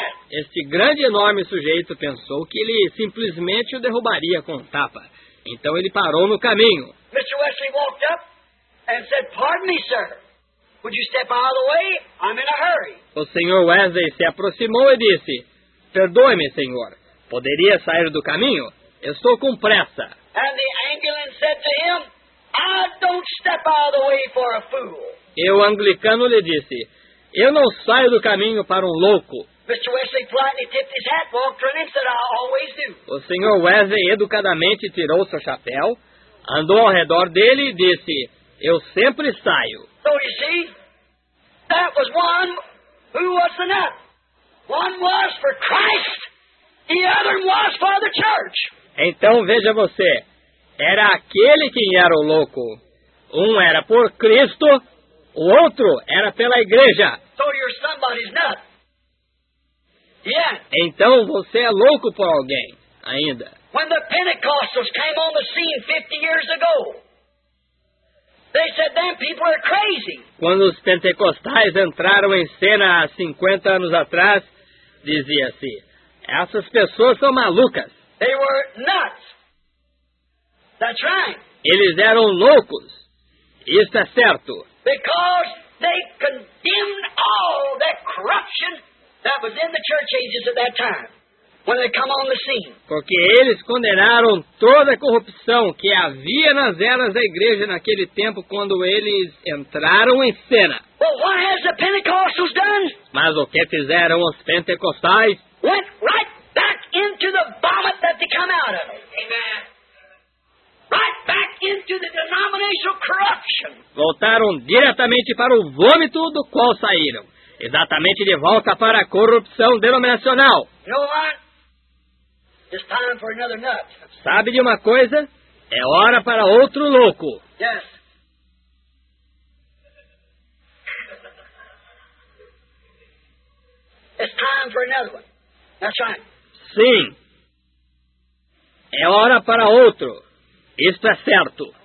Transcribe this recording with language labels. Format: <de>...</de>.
<pt>Este grande e enorme sujeito pensou que ele simplesmente o derrubaria com um tapa. Então ele parou no caminho.</pt> <en>Mr. Wesley walked up and said, "Pardon me, sir. Would you step out of the way? I'm in a hurry."</en> <pt>O Sr. Wesley se aproximou e disse, "Perdoe-me, senhor. Poderia sair do caminho? Estou com pressa."</pt> <en>And the Anglican said to him, "I don't step out of the way for a fool."</en> <pt>E o anglicano lhe disse, "Eu não saio do caminho para um louco."</pt> <en>Mr. Wesley politely tipped his hat, walked to an instant, "I always do."</en> <pt>O Sr. Wesley educadamente tirou seu chapéu, andou ao redor dele e disse, "Eu sempre saio."</pt> <en>So you see, that was one who was the nut. One was for Christ, the other was for the church.</en> <pt>Então veja você. Era aquele quem era o louco. Um era por Cristo, o outro era pela igreja.</pt> <en>So you're somebody's nut. Yeah.</en> <pt>Então você é louco por alguém, ainda.</pt> <en>When the Pentecostals came on the scene 50 years ago, they said them people are crazy.</en> <pt>Quando os pentecostais entraram em cena há 50 anos atrás, dizia-se, essas pessoas são malucas.</pt> <en>They were nuts. That's right.</en> <pt>Eles eram loucos. Isso é certo.</pt> <en>Because they condemned all that corruption that was in the church ages at that time when they come on the scene.</en> <pt>Porque eles condenaram toda a corrupção que havia nas eras da igreja naquele tempo quando eles entraram em cena.</pt> <en>Well, what has the Pentecostals done?</en> <pt>Mas o que fizeram os pentecostais?</pt> <en>Went right back into the vomit that they come out of. Amen. Right back into the denominational corruption.</en> <pt>Voltaram diretamente para o vômito do qual saíram. Exatamente de volta para a corrupção denominacional.</pt> <en>You know what? It's time for another nut.</en> <pt>Sabe de uma coisa? É hora para outro louco.</pt> <en>Yes. It's time for another one. That's right.</en> <pt>Sim. É hora para outro. Isto é certo.</pt>